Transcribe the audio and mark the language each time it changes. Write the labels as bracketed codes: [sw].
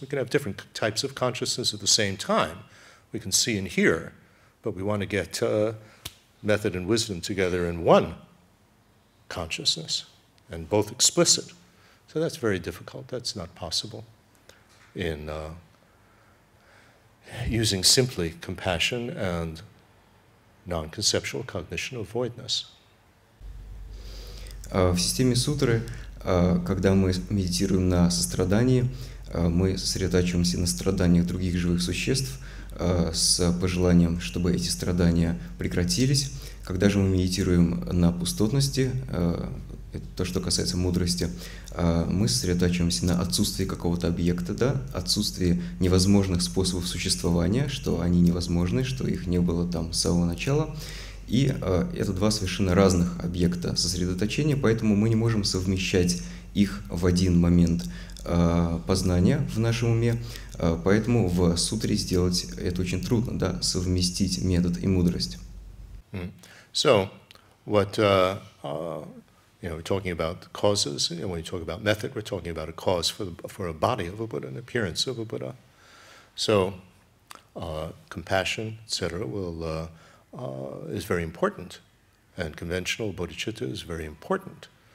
[en] We can have different types of consciousness at the same time. We can see and hear, but we want to get method and wisdom together in one consciousness, and both explicit. So that's very difficult. That's not possible in using simply compassion and non-conceptual cognition of voidness. [ru] В системе сутры, когда мы медитируем на сострадании, мы сосредотачиваемся на страданиях других живых существ с пожеланием, чтобы эти страдания прекратились. Когда же мы медитируем на пустотности, это то, что касается мудрости, мы сосредотачиваемся на отсутствии какого-то объекта, да, отсутствии невозможных способов существования, что они невозможны, что их не было там с самого начала. И это два совершенно разных объекта сосредоточения, поэтому мы не можем совмещать их в один момент познания в нашем уме, поэтому в сутре сделать это очень трудно, да, совместить метод и мудрость. [en] So, what, you know, we're talking about causes, and when you talk about method, we're talking about a cause for a body of a Buddha, an appearance of a Buddha. So, compassion, etc., will... is very important, and conventional bodhicitta is very important.